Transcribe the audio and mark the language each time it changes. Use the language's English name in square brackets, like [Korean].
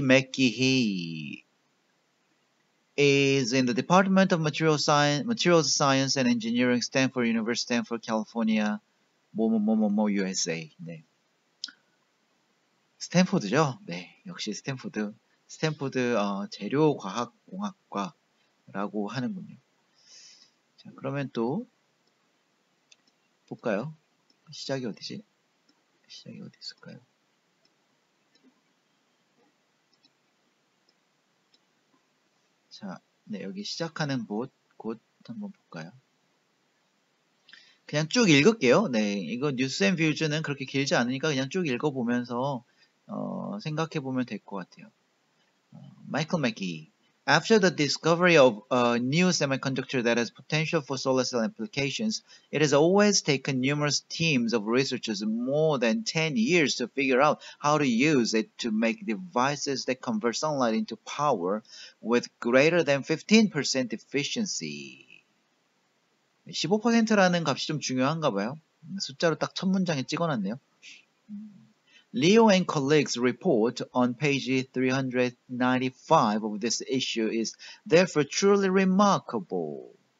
[English] 맥기히 is in the Department of Materials Science and Engineering, Stanford University, Stanford, California, 뭐뭐뭐뭐뭐 USA. [Korean] 네. 스탠포드죠? 네, 역시 스탠포드. 스탠포드 재료과학공학과라고 하는군요. 자, 그러면 또 볼까요? 시작이 어디지? 시작이 어디 있을까요? 자, 네, 여기 시작하는 곳 한번 볼까요? 그냥 쭉 읽을게요. 네, 이거 뉴스 앤 뷰즈는 그렇게 길지 않으니까 그냥 쭉 읽어보면서 생각해 보면 될것 같아요. 마이클 맥기. [English] After the discovery of a new semiconductor that has potential for solar cell applications, it has always taken numerous teams of researchers more than 10 years to figure out how to use it to make devices that convert sunlight into power with greater than 15% efficiency. [Korean] 15%라는 값이 좀 중요한가 봐요. 숫자로 딱첫 문장에 찍어놨네요. [English] Leo and colleagues' report on page 395 of this issue is therefore truly remarkable.